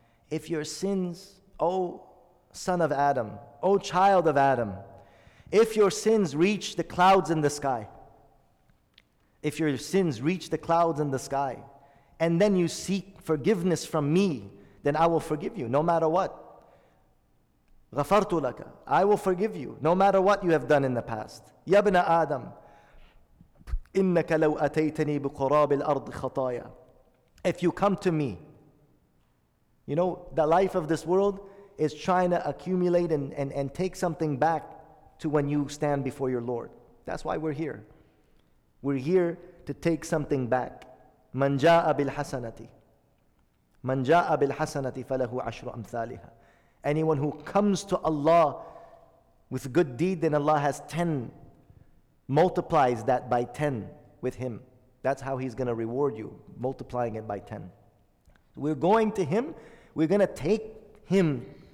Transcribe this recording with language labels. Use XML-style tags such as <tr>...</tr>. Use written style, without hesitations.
<en>If your sins, O son of Adam, O child of Adam, if your sins reach the clouds in the sky, if your sins reach the clouds in the sky, and then you seek forgiveness from me, then I will forgive you no matter what.</en> <ar>غفرت لك.</ar> <en>I will forgive you no matter what you have done in the past.</en> <ar>يا ابن آدم إنك لو أتيتني بقراب الأرض خطايا.</ar> <en>If you come to me, you know, the life of this world is trying to accumulate and take something back to when you stand before your Lord. That's why we're here. We're here to take something back.</en> <ar>من جاء بالحسنتي. من جاء بالحسنتي فله عشر أمثالها.</ar> <en>Anyone who comes to Allah with good deed, then Allah has 10, multiplies that by 10 with him. That's how he's going to reward you, multiplying it by 10. We're going to him, we're going to take him.</en>